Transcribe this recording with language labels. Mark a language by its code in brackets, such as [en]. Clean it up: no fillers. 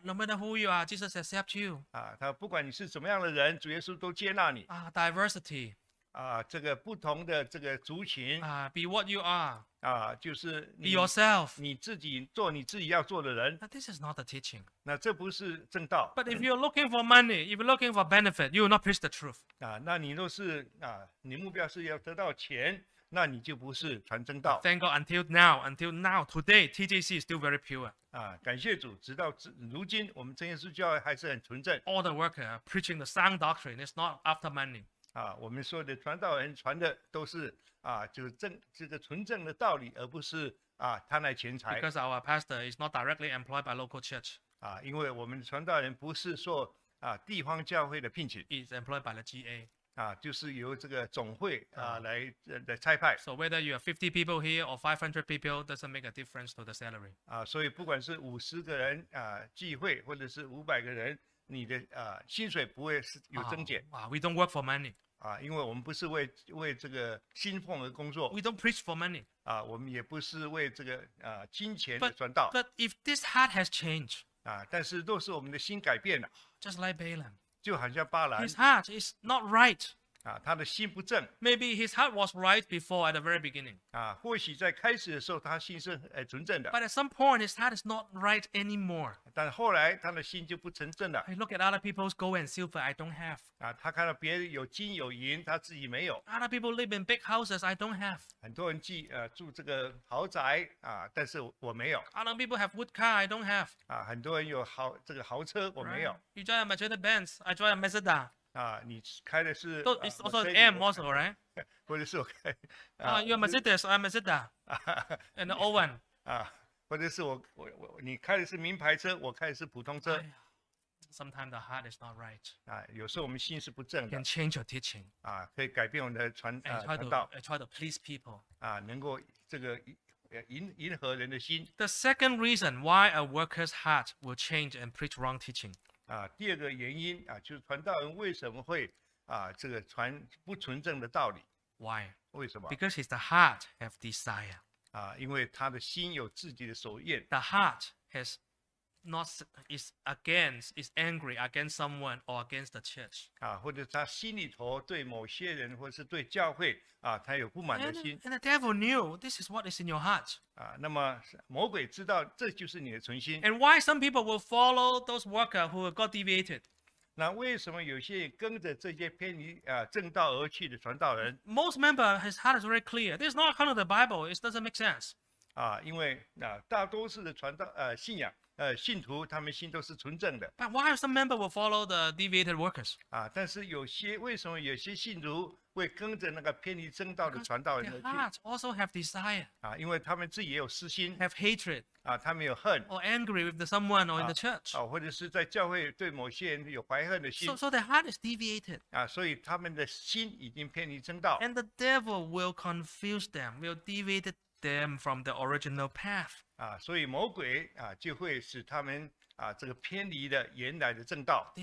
[en] No matter who you are, Jesus accepts you. [zh] 他不管你是怎么样的人，主耶稣都接纳你。 [en] Diversity. [zh] 这个不同的这个族群。 [en] Be what you are. [zh] 就是 [en] 你。Be yourself. [zh] 你自己做你自己要做的人。 [en] But this is not the teaching. [zh] 那这不是正道。 [en] But if you're looking for money, if you're looking for benefit, you will not preach the truth. [zh] 那你若是你目标是要得到钱。那你就不是传真道。 [en] Thank God until now, today, TJC is still very pure. [zh] 感谢主，直到如今，我们真耶稣教会还是很纯正。 [en] All the workers preaching the sound doctrine is not after money. [zh] 我们说的传道人传的都是就是这个纯正的道理，而不是贪爱钱财。 [en] Because our pastor is not directly employed by local church. [zh] 因为我们传道人不是说地方教会的聘请。 [en] He's employed by the GA. [zh] 就是由这个总会来差派。 [en] So whether you are 50 people here or 500 people doesn't make a difference to the salary. [zh] 所以不管是50个人聚会或者是500个人，你的薪水不会有增减。 [en] We don't work for money. [zh] 因为我们不是为这个薪俸而工作。 [en] We don't preach for money. [zh] 我们也不是为这个金钱的传道。 [en] But if this heart has changed. [zh] 但是若是我们的心改变了。 [en] Just like Balaam. [zh] 就好像巴兰 [en] His heart is not right. [zh] 他的心不正。 [en] Maybe his heart was right before at the very beginning. [zh] 或许在开始的时候他心是纯正的。 [en] But at some point his heart is not right anymore. [zh] 但后来他的心就不纯正了。 [en] I look at other people's gold and silver, I don't have. [zh] 他看到别人有金有银，他自己没有。 [en] Other people live in big houses, I don't have. [zh] 很多人住这个豪宅但是我没有。 [en] Other people have wood car, I don't have. [zh] 很多人有这个豪车，我没有。 [en] You drive a Mercedes-Benz, I drive a Mazda. [zh] 你开的是 [en] It's also an M also, right? [zh] 或者是我开 [en] You're Mercedes, I'm Mazda And Owen [zh] 或者是 你开的是名牌车，我开的是普通车。 [en] Sometimes the heart is not right. [zh] 有时候我们心是不正的。 [en] Can change your teaching. [zh] 可以改变我们的传道。 [en] Try to please people. [zh] 能够这个迎合人的心。 [en] The second reason why a worker's heart will change and preach wrong teaching. [zh] 第二个原因就是传道人为什么会这个传不纯正的道理。 [en] Why? [zh] 为什么 [en] ?Because his heart has desire. [zh] 因为他的心有自己的所愿。 [en] The heart has not, is against, is angry against someone or against the church. [zh] 或者他心里头对某些人或是对教会他有不满的心。 [en] And the devil knew this is what is in your heart. [zh] 那么魔鬼知道这就是你的存心。 [en] And why some people will follow those workers who got deviated? [zh] 那为什么有些人跟着这些偏离正道而去的传道人？ [en] Most members, his heart is very clear. This is not kind of the Bible. It doesn't make sense. [zh] 因为大多数的传道信仰信徒他们心都是纯正的。 [en] But why some members will follow the deviated workers? [zh] 但是有些为什么有些信徒会跟着那个偏离正道的传道人去？ [en] Because their hearts also have desire. [zh] 因为他们自己也有私心。 [en] Have hatred. [zh] 他们有恨。 [en] Or angry with someone or in the church. [zh] 或者是在教会对某些人有怀恨的心。 [en] So their heart is deviated. [zh] 所以他们的心已经偏离正道。 [en] And the devil will confuse them, will deviate them from the original path. [zh] 所以魔鬼就会使他们这个偏离的原来的正道。